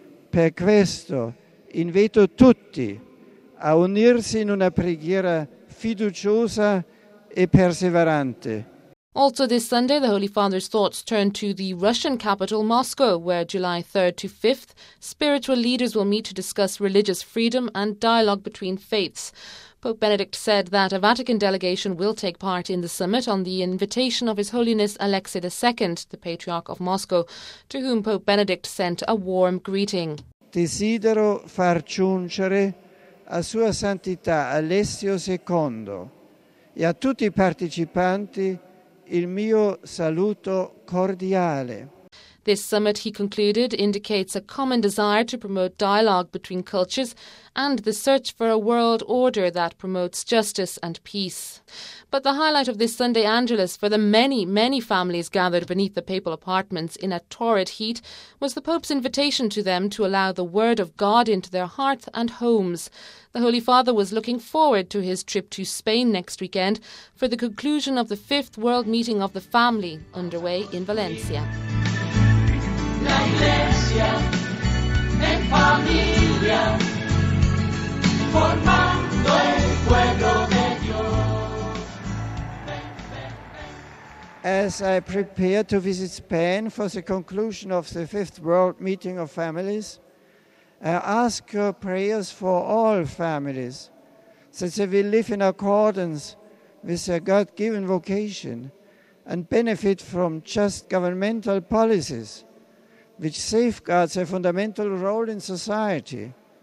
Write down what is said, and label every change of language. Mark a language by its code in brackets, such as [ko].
[it] Per questo invito tutti a unirsi in una preghiera fiduciosa e perseverante. [en] Also this Sunday, the Holy Father's thoughts turn to the Russian capital, Moscow, where July 3rd to 5th, spiritual leaders will meet to discuss religious freedom and dialogue between faiths. Pope Benedict said that a Vatican delegation will take part in the summit on the invitation of His Holiness Alexei II, the Patriarch of Moscow, to whom Pope Benedict sent a warm greeting. [it] Desidero far giungere a Sua Santità Alessio II e a tutti I partecipanti il mio saluto cordiale. [en] This summit, he concluded, indicates a common desire to promote dialogue between cultures and the search for a world order that promotes justice and peace. But the highlight of this Sunday Angelus for the many, many families gathered beneath the papal apartments in a torrid heat was the Pope's invitation to them to allow the Word of God into their hearts and homes. The Holy Father was looking forward to his trip to Spain next weekend for the conclusion of the fifth world meeting of the family underway in Valencia. [es] La Iglesia en familia, formando el pueblo de Dios. [en] As I prepare to visit Spain for the conclusion of the Fifth World Meeting of Families, I ask your prayers for all families, that they will live in accordance with their God-given vocation and benefit from just governmental policies which safeguards a fundamental role in society.